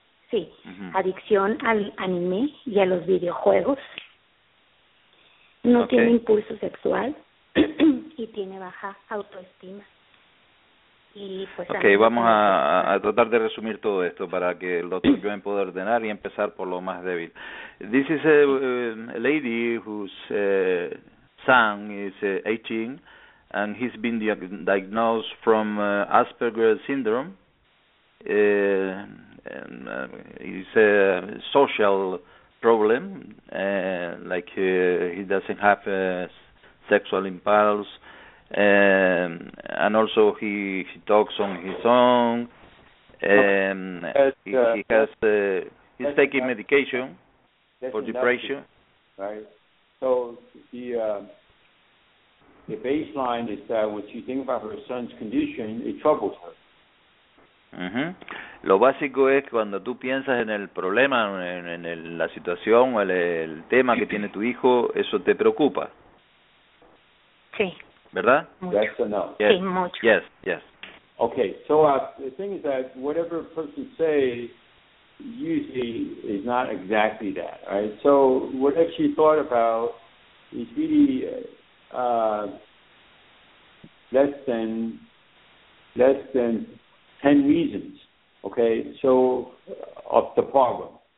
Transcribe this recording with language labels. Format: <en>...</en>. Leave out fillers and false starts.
<es>Sí, adicción al anime y a los videojuegos. No tiene impulso sexual y tiene baja autoestima. Okay, vamos a tratar de resumir todo esto para que el doctor Joan pueda ordenar y empezar por lo más débil.</es> <en>This is a lady whose son is 18 and he's been diagnosed from Asperger syndrome. It's a social problem, like he doesn't have a sexual impulse. And also he talks on his own. He's taking medication for depression. Right. So the baseline is that what you think about her son's condition, it troubles her.</en> <es>Lo básico es cuando tú piensas en el problema, en la situación o el tema que tiene tu hijo, eso te preocupa. Sí. ¿Verdad?</es> <en>Yes or no? Yes.</en> <es>Sí, mucho.</es> <en>Yes, yes. Okay, so the thing is that whatever a person says usually is not exactly that, right? So what she thought about is really less than 10 reasons, okay, so of the problem.</en>